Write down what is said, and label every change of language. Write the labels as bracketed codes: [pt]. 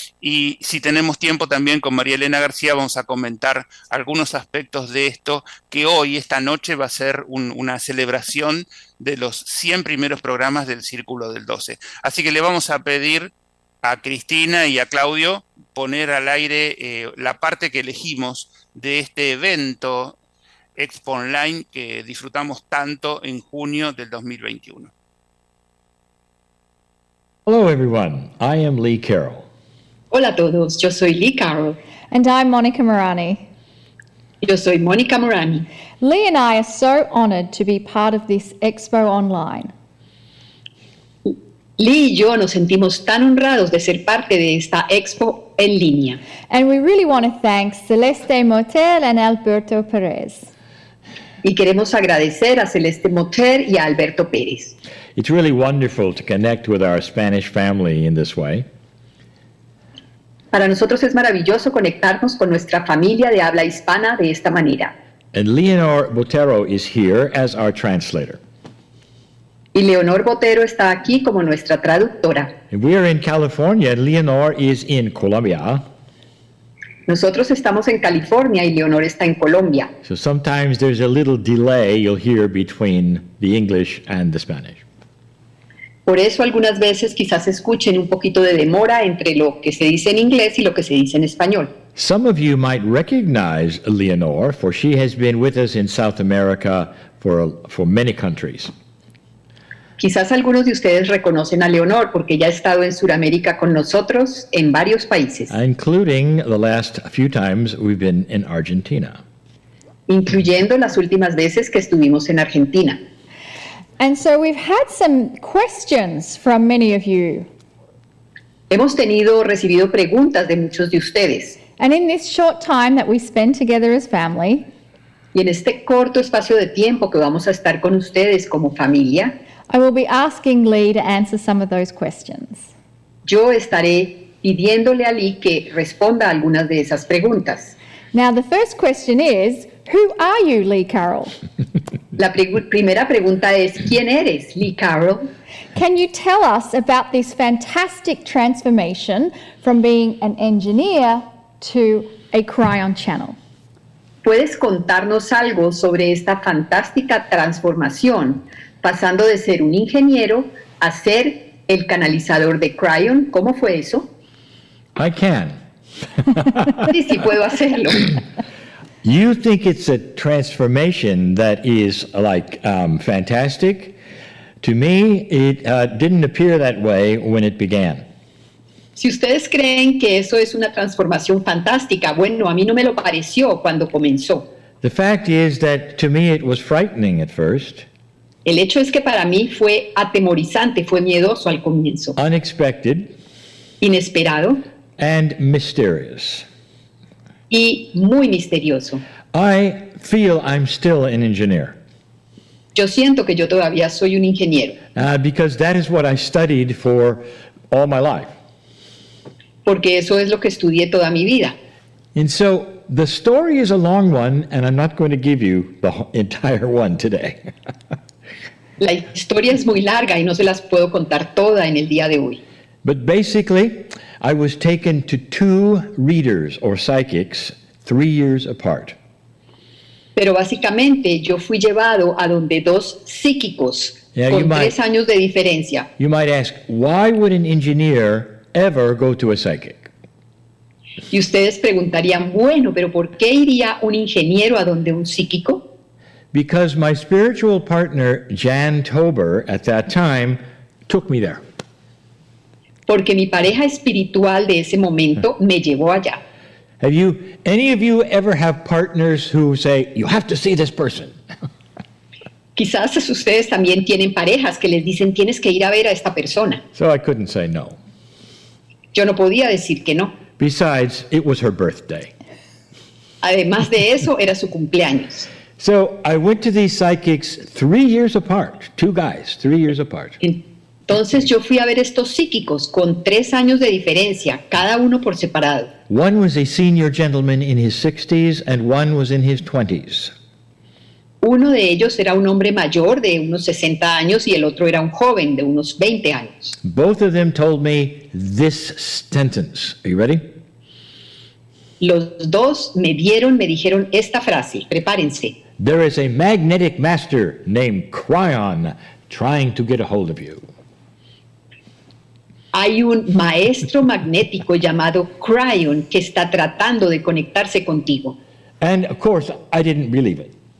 [es] Y si tenemos tiempo también con María Elena García, vamos a comentar algunos aspectos de esto, que hoy, esta noche, va a ser una celebración de los 100 primeros programas del Círculo del 12. Así que le vamos a pedir a Cristina y a Claudio poner al aire la parte que elegimos de este evento Expo Online que disfrutamos tanto en junio del 2021. [en] Hello everyone, I am Lee Carroll. [es] Hola a todos, yo soy Lee Carroll. [en] And I'm Mónica Murani. [es] Yo soy Mónica Murani. [en] Lee and I are so honored to be part of this Expo Online. [es] Lee y yo nos sentimos tan honrados de ser parte de esta Expo en línea. [en] And we really want to thank Celeste Motel and Alberto Perez. [es] Y queremos agradecer a Celeste Motel y a Alberto Perez. [en] It's really wonderful to connect with our Spanish family in this way. [es] Para nosotros es maravilloso conectarnos con nuestra familia de habla hispana de esta manera. [en] And Leonor Botero is here as our translator. [es] Y Leonor Botero está aquí como nuestra traductora. [en] And we are in California and Leonor is in Colombia. [es] Nosotros estamos en California y Leonor está en Colombia. [en] So sometimes there's a little delay you'll hear between the English and the Spanish. [es] Por eso algunas veces quizás escuchen un poquito de demora entre lo que se dice en inglés y lo que se dice en español. [en] Some of you might recognize Leonor, for she has been with us in South America for many countries. [es] Quizás algunos de ustedes reconocen a Leonor porque ya ha estado en Sudamérica con nosotros en varios países. [en] Including the last few times we've been in Argentina. [es] Incluyendo las últimas veces que estuvimos en Argentina. [en] And so we've had some questions from many of you. [es] Hemos tenido recibido preguntas de muchos de ustedes. [en] And in this short time that we spend together as family, [es] y en este corto espacio de tiempo que vamos a estar con ustedes como familia, [en] I will be asking Lee to answer some of those questions. [es] Yo estaré pidiéndole a Lee que responda algunas de esas preguntas. [en] Now the first question is, who are you, Lee Carroll? [es] La primera pregunta es, ¿quién eres, Lee Carroll? [en] Can you tell us about this fantastic transformation from being an engineer to a Cryon channel? [es] ¿Puedes contarnos algo sobre esta fantástica transformación, pasando de ser un ingeniero a ser el canalizador de Cryon? ¿Cómo fue eso? [en] I can. [es] Sí, sí puedo hacerlo. [en] You think it's a transformation that is like fantastic? To me, it didn't appear that way when it began. [es] Si ustedes creen que eso es una transformación fantástica, bueno, a mí no me lo pareció cuando comenzó. [en] The fact is that to me it was frightening at first. [es] El hecho es que para mí fue atemorizante, fue miedoso al comienzo. [en] Unexpected. [es] Inesperado. [en] And mysterious. [es] Y muy misterioso. [en] I feel I'm still an engineer. [es] Yo siento que yo todavía soy un ingeniero. [en] Because that is what I studied for all my life. [es] Porque eso es lo que estudié toda mi vida. [en] And so the story is a long one, and I'm not going to give you the entire one today. [es] La historia es muy larga y no se las puedo contar toda en el día de hoy. [en] But basically, I was taken to two readers or psychics 3 years apart. [es] Pero básicamente yo fui llevado a donde dos psíquicos tres años de diferencia. [en] You might ask, why would an engineer ever go to a psychic? [es] Y ustedes preguntarían, bueno, pero ¿por qué iría un ingeniero a donde un psíquico? [en] Because my spiritual partner, Jan Tober, at that time, took me there. [es] Porque mi pareja espiritual de ese momento me llevó allá. [en] Have you, any of you ever have partners who say, you have to see this person? [es] Quizás ustedes también tienen parejas que les dicen, tienes que ir a ver a esta persona. [en] So I couldn't say no. [es] Yo no podía decir que no. [en] Besides, it was her birthday. [es] Además de eso, era su cumpleaños. [en] So I went to these psychics 3 years apart, two guys, 3 years apart. [es] Entonces yo fui a ver estos psíquicos con 3 años de diferencia, cada uno por separado. [en] One was a senior gentleman in his 60s and one was in his 20s. [es] Uno de ellos era un hombre mayor de unos 60 años y el otro era un joven de unos 20 años. [en] Both of them told me this sentence. Are you ready? [es] Los dos me dijeron esta frase. Prepárense. [en] There is a magnetic master named Cryon trying to get a hold of you. [es] Hay un maestro magnético llamado Cryon que está tratando de conectarse contigo. [en] And of course, I didn't believe it.